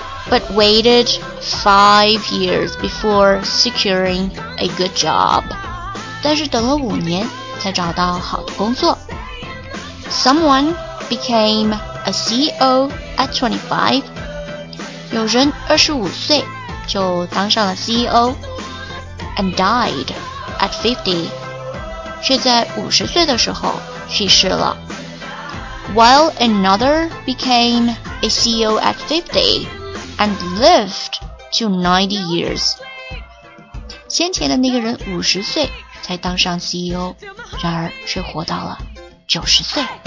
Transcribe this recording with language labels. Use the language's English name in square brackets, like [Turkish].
[English] But waited 5 years before securing a good job. [Chinese] 但是等了五年才找到好的工作。 [English] Someone became a CEO at 25. [Chinese] 有人25岁就当上了 CEO [English] and died. [Chinese] At 50, 却在50岁的时候去世了。 [English] While another became a CEO at 50 and lived to 90 years. [Chinese] 先前的那个人50岁才当上 CEO, 然而却活到了90岁。